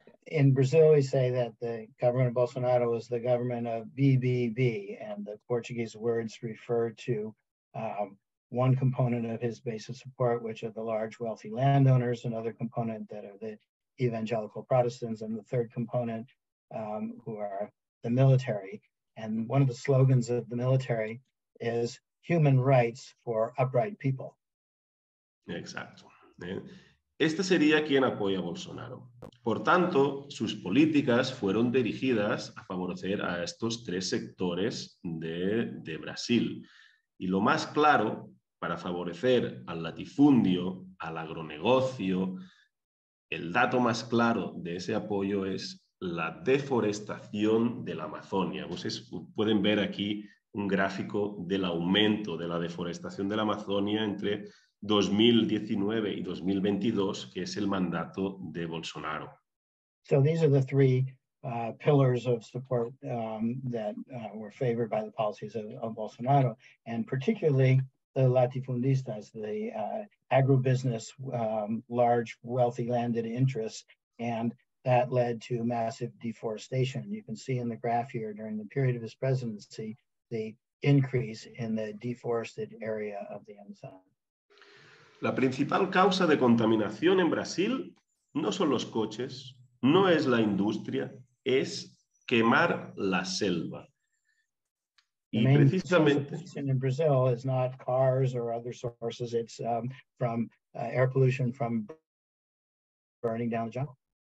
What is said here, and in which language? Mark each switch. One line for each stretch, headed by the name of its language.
English: In Brazil, we say that the government of Bolsonaro is the government of BBB, and the Portuguese words refer to one component of his base of support, which are the large wealthy landowners, another component that are the evangelical Protestants, and the third component, who are the military. And one of the slogans of the military is human rights for upright people.
Spanish: Exacto. Este sería quien apoya a Bolsonaro. Por tanto, sus políticas fueron dirigidas a favorecer a estos tres sectores de Brasil. Y lo más claro, para favorecer al latifundio, al agronegocio, el dato más claro de ese apoyo es la deforestación de la Amazonia. Ustedes pueden ver aquí un gráfico del aumento de la deforestación de la Amazonia entre 2019 y 2022, que es el mandato de Bolsonaro.
English: So these are the three pillars of support that were favored by the policies of Bolsonaro, and particularly the latifundistas, the agribusiness, large wealthy landed interests, and that led to massive deforestation. You can see in the graph here during the period of his presidency the increase in the deforested area of the Amazon.
Spanish: La principal causa de contaminación en Brasil no son los coches, no es la industria, es quemar la selva.
English: The main pollution in Brazil is not cars or other sources, it's from air pollution from burning down the jungle.